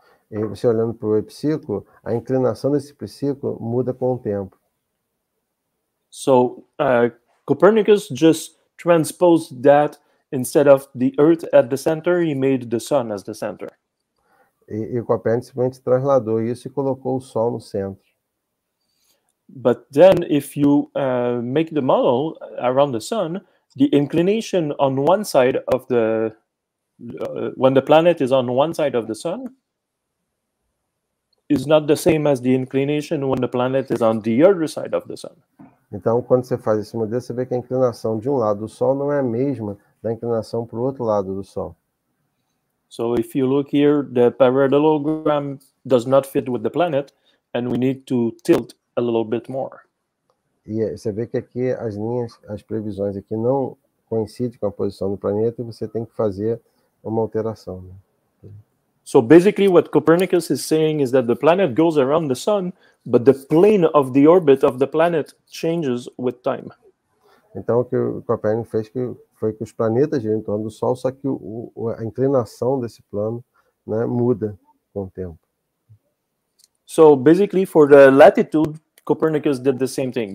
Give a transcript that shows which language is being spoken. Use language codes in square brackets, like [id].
[pt] E você olhando para o epiciclo, a inclinação desse epiciclo muda com o tempo. [en] So, Copernicus just transposed that instead of the Earth at the center, he made the Sun as the center. [pt] E o Copérnico simplesmente trasladou isso e colocou o Sol no centro. [en] But then, if you make the model around the Sun, the inclination on one side of the when the planet is on one side of the Sun is not the same as the inclination when the planet is on the other side of the Sun. [pt] Então, quando você faz esse modelo, você vê que a inclinação de um lado do Sol não é a mesma da inclinação para o outro lado do Sol. [en] So, if you look here, the parallelogram does not fit with the planet, and we need to tilt a little bit more. [pt] E você vê que aqui as linhas, as previsões aqui não coincidem com a posição do planeta e você tem que fazer uma alteração. Né? [en] So, basically, what Copernicus is saying is that the planet goes around the Sun, but the plane of the orbit of the planet changes with time. [pt] Então, o que o Copérnico fez foi que os planetas giram em torno do Sol, só que a inclinação desse plano, né, muda com o tempo. [en] So, basically, for the latitude, Copernicus did the same thing.